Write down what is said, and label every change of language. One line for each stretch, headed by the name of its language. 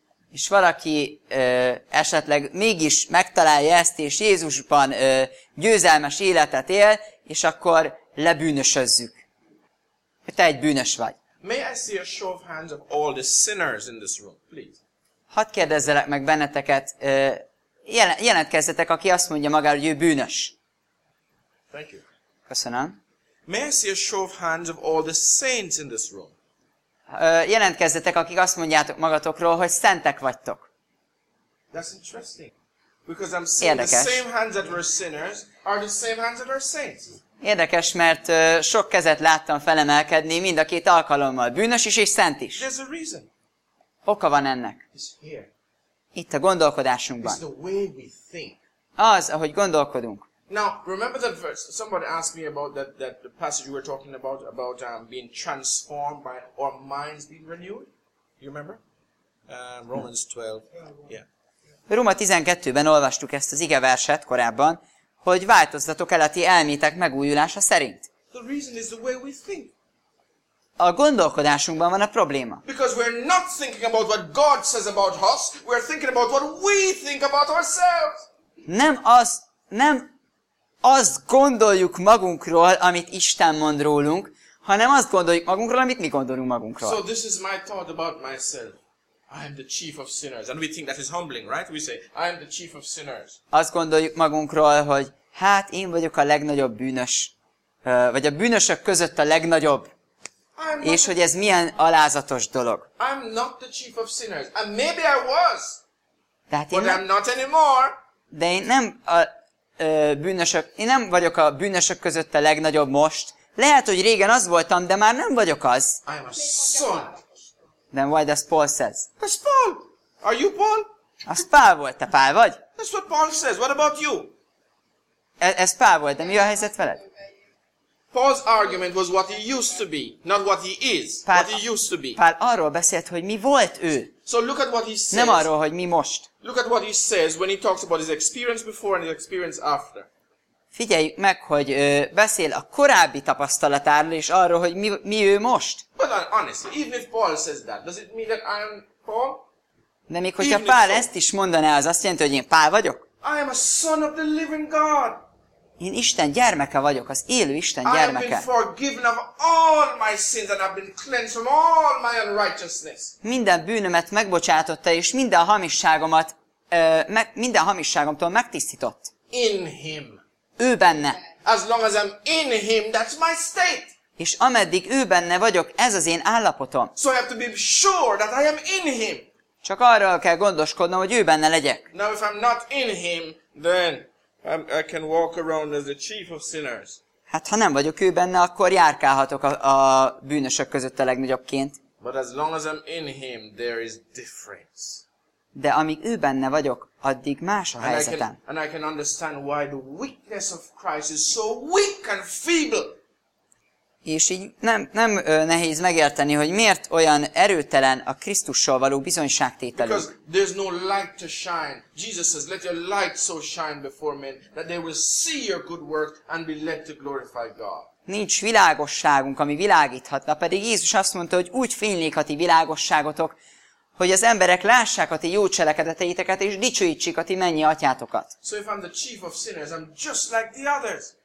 Hungarian: És valaki esetleg mégis megtalálja ezt, és Jézusban győzelmes életet él, és akkor lebűnösözzük. Hogy te egy bűnös vagy.
English: May I see a show of hands of all the sinners in this room, please?
Hungarian: Hadd kérdezzelek meg benneteket, jelentkezzetek, aki azt mondja magára, hogy ő bűnös.
English: Thank you.
Hungarian: Köszönöm.
English: May I see a show of hands of all the saints in this room?
Hungarian: Jelentkezzetek, akik azt mondjátok magatokról, hogy szentek vagytok.
English: That's interesting. Because I'm seeing
Hungarian: érdekes.
English: The same hands that were sinners are the same hands that are saints.
Hungarian: Érdekes, mert sok kezet láttam felemelkedni mind a két alkalommal, bűnös is és szent is.
English: There's a reason.
Hungarian: Oka van ennek.
English: It's here.
Hungarian: Itt a gondolkodásunkban.
English: It's the way we think.
Hungarian: Az, ahogy gondolkodunk.
English: Now, remember that verse? Somebody asked me about that the passage you were talking about being transformed by our minds being renewed. You remember? Romans 12. Yeah.
Hungarian: Róma 12-ben olvastuk ezt az igeverset korábban, hogy változzatok el a ti elmétek megújulása szerint.
English: The reason is the way we think.
Hungarian: A gondolkodásunkban van a probléma.
English: Because we're not thinking about what God says about us, we're thinking about what we think about ourselves.
Hungarian: Nem azt gondoljuk magunkról, amit Isten mond rólunk, hanem azt gondoljuk magunkról, amit mi gondolunk magunkról.
English: So this is my thought about myself. I am the chief of sinners. And we think that is humbling, right? We say, I am the chief of sinners.
Hungarian: Azt gondoljuk magunkról, hogy hát én vagyok a legnagyobb bűnös, vagy a bűnösök között a legnagyobb. És hogy ez milyen alázatos dolog.
English: I'm not the chief of sinners. And maybe I was.
Hungarian: Tehát
English: but I'm not anymore.
Hungarian: De én nem vagyok a bűnösök között a legnagyobb most, Lehet, hogy régen az voltam, de már nem vagyok az.
English: I am a son. Then why does Paul says? That's Paul. Are you Paul?
Hungarian: Az Pál volt, te Pál vagy?
English: That's what Paul says. What about you?
Hungarian: Ez Pál volt, de mi a helyzet veled?
English: Paul's argument was what he used to be, not what he is,
Hungarian: Pál,
English: what he used to be.
Hungarian: Pál arról beszélt, hogy mi volt ő.
English: So look at what he says.
Hungarian: Nem arról, hogy mi most.
English: Look at what he says when he talks about his experience before and his experience after.
Hungarian: Figyelj meg, hogy beszél a korábbi tapasztalatáról és arról, hogy mi ő most.
English: But honestly, even if Paul says that, does it mean that I am Paul?
Hungarian: De még hogyha Pál ezt is mondaná, az azt jelenti, hogy én Pál vagyok?
English: I am a son of the living God.
Hungarian: Én Isten gyermeke vagyok, az élő Isten gyermeke.
English: I have been forgiven of all my sins and I've been cleansed from all my unrighteousness.
Hungarian: Minden bűnömet megbocsátotta és minden hamisságomat minden hamisságomtól megtisztított.
English: In him.
Hungarian: Ő benne.
English: As long as I'm in him, that's my state.
Hungarian: És ameddig ő benne vagyok, ez az én állapotom.
English: So I have to be sure that I am in him.
Hungarian: Csak arra kell gondoskodnom, hogy ő benne legyek.
English: Now if I'm not in him, then I can walk around as the chief of sinners.
Hungarian: Hát ha nem vagyok ő benne, akkor járkálhatok a bűnösök között a legnagyobbként.
English: But as long as I'm in him, there is difference.
Hungarian: De amíg ő benne vagyok, addig más a helyzetem.
English: And I can understand why the weakness of Christ is so weak and feeble.
Hungarian: És így nem nehéz megérteni, hogy miért olyan erőtelen a Krisztussal való bizonyságtételünk.
English: Because there's no light to shine. Jesus says, let your light so shine before men that they will see your good work and be led to glorify God.
Hungarian: Nincs világosságunk, ami világíthatna, pedig Jézus azt mondta, hogy úgy fénylik a ti világosságotok, hogy az emberek lássák a ti jó cselekedeteiteket és dicsőítsék a ti mennyi atyátokat.
English: So if I'm the chief of sinners, I'm just like the others.